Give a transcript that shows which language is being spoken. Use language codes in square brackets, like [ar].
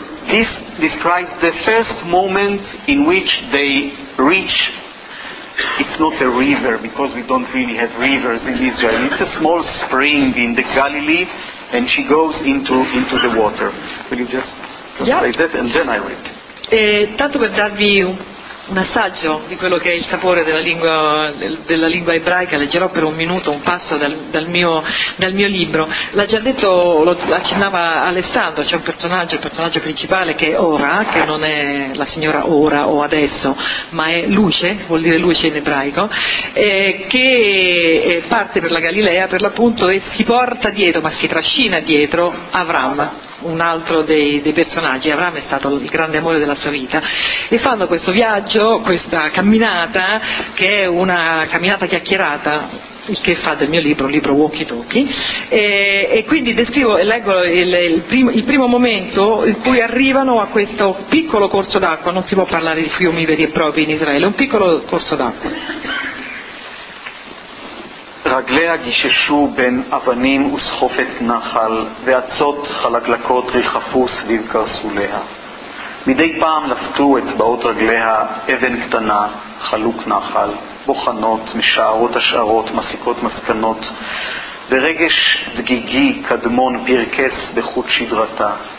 [en] This describes the first moment in which they reach, it's not a river because we don't really have rivers in Israel, it's a small spring in the Galilee, and she goes into the water. Will you just translate that and then I read. [it] Tanto per darvi un assaggio di quello che è il sapore della lingua ebraica, leggerò per un minuto un passo dal mio libro. L'ha già detto, lo accennava Alessandro, c'è un personaggio, il personaggio principale che è Ora, che non è la signora Ora o adesso, ma è Luce, vuol dire luce in ebraico, che parte per la Galilea per l'appunto e si porta dietro, ma si trascina dietro Avram, un altro dei personaggi. Avram è stato il grande amore della sua vita, e fanno questo viaggio, questa camminata, che è una camminata chiacchierata, il che fa del mio libro un libro walkie talkie, e quindi descrivo e leggo il primo momento in cui arrivano a questo piccolo corso d'acqua. Non si può parlare di fiumi veri e propri in Israele, un piccolo corso d'acqua. [he] רגליה גיששו בין אבנים וסחופת נחל, ועצות חלקלקות ריחפו סביב קרסוליה. מדי פעם לפתו אצבעות רגליה אבן קטנה, חלוק נחל, בוחנות, משערות השערות, מסיקות מסקנות, ברגש דגיגי קדמון פרקס בחוט שדרתה.